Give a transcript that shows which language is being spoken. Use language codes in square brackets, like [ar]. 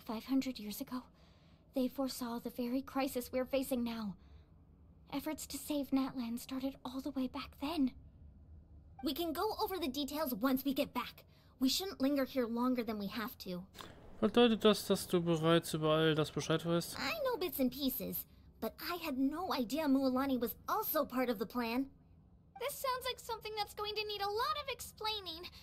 [en] 500 years ago, they foresaw the very crisis we're facing now. Efforts to save Natlan started all the way back then. We can go over the details once we get back. We shouldn't linger here longer than we have to. [de] Bedeutet das, dass du bereits über all das Bescheid weißt? [en] I know bits and pieces, but I had no idea Mulani was also part of the plan. This sounds like something that's going to need a lot of explaining.